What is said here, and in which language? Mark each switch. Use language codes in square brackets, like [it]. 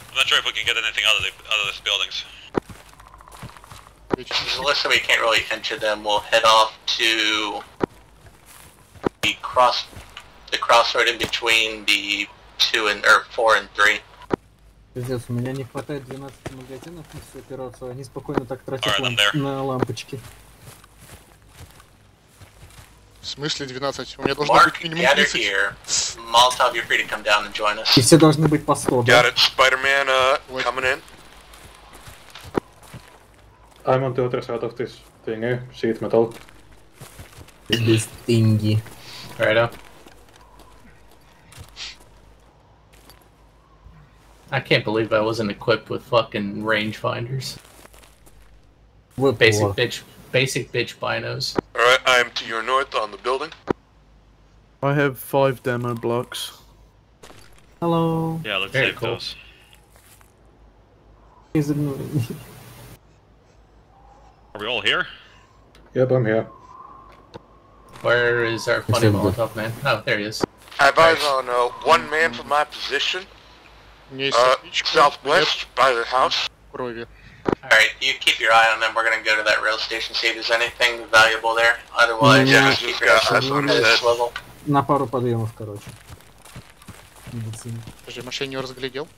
[en] I'm not sure if we can get anything out of, out of these buildings. Unless we can't really enter them, we'll head off to the crossroad in between the 4 and 3. [ru] Пиздец, у меня не хватает 12 магазинов на всю операцию, они спокойно так тратят на лампочки. В смысле 12? У меня должно быть минимум 30. [en] Mark, gather here. Molotov, you're free to come down and join us. [ru] И все должны быть по 100, да? [en] Got it. Spider-Man, coming in. I'm on the other side of this thing, eh? See it, metal. This thingy. Right up. I can't believe I wasn't equipped with fucking rangefinders. What? Basic bitch binos. Alright, I am to your north on the building. I have 5 demo blocks. Hello. Yeah, let's take those. He's ignoring me. Are we all here? Yep, I'm here. Where is our funny Molotov man? Oh, there he is. I have eyes on one man from my position. Southwest, yep. By the house. What are we doing? Alright, you keep your eye on them, we're gonna go to that rail station, see if there's anything valuable there. Otherwise, yeah, just keep your eyes on this level. [ru] На пару подъемов, короче. Подожди, машину разглядел?